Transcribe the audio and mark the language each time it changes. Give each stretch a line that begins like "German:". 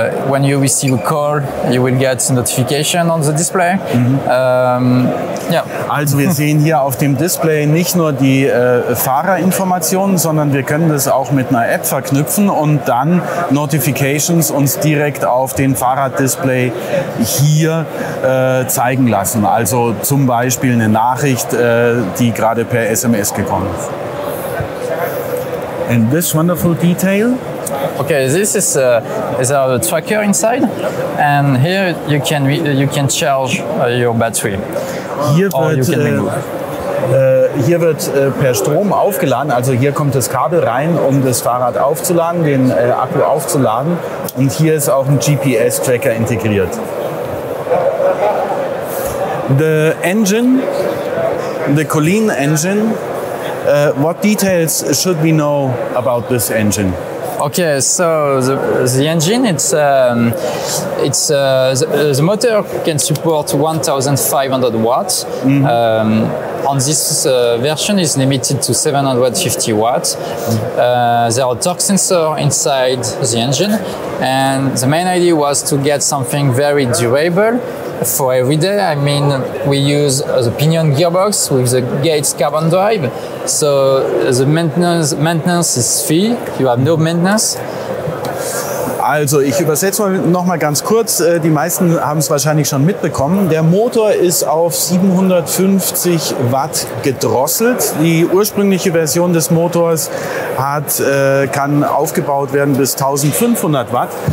English: When you receive a call, you will get notification on the display. Mm-hmm.
German: Also wir sehen hier auf dem Display nicht nur die Fahrerinformationen, sondern wir können das auch mit einer App verknüpfen und dann Notifications uns direkt auf den Fahrraddisplay hier zeigen lassen. Also zum Beispiel eine Nachricht, die gerade per SMS gekommen ist.
English: And this wonderful detail. Okay, this is our tracker inside, and here you can charge your battery.
German: Hier wird per Strom aufgeladen, also hier kommt das Kabel rein, um das Fahrrad aufzuladen, den Akku aufzuladen, und hier ist auch ein GPS-Tracker integriert.
English: The engine, the Colleen engine, what details should we know about this engine? Okay, so the engine, the motor can support 1,500 watts. Mm-hmm. On this version, is limited to 750 watts. There are torque sensors inside the engine, and the main idea was to get something very durable for every day. I mean, we use the pinion gearbox with the Gates carbon drive, so the maintenance is free. You have no maintenance.
German: Also ich übersetze mal noch mal ganz kurz. Die meisten haben es wahrscheinlich schon mitbekommen. Der Motor ist auf 750 Watt gedrosselt. Die ursprüngliche Version des Motors kann aufgebaut werden bis 1500 Watt.